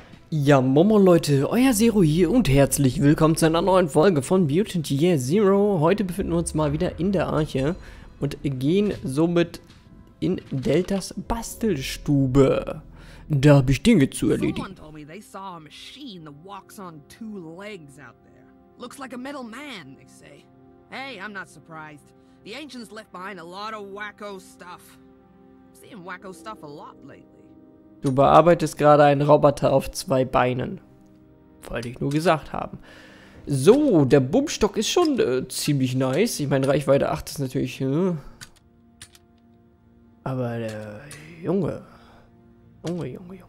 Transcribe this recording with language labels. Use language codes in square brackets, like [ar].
[de] Ja, Momo Leute, euer Zero hier und herzlich willkommen zu einer neuen Folge von Mutant Year Zero. Heute befinden wir uns mal wieder in der Arche und gehen somit in Deltas Bastelstube. Da habe ich Dinge zu erledigen. [en] Someone told me they saw a machine that walks on two legs out there. Looks like a metal man, they say. Hey, I'm not surprised. The ancients left behind a lot of wacko stuff. I'm seeing wacko stuff a lot lately. [de] Du bearbeitest gerade einen Roboter auf zwei Beinen. Wollte ich nur gesagt haben. So, der Bummstock ist schon ziemlich nice. Ich meine, Reichweite 8 ist natürlich... Aber der Junge... Junge.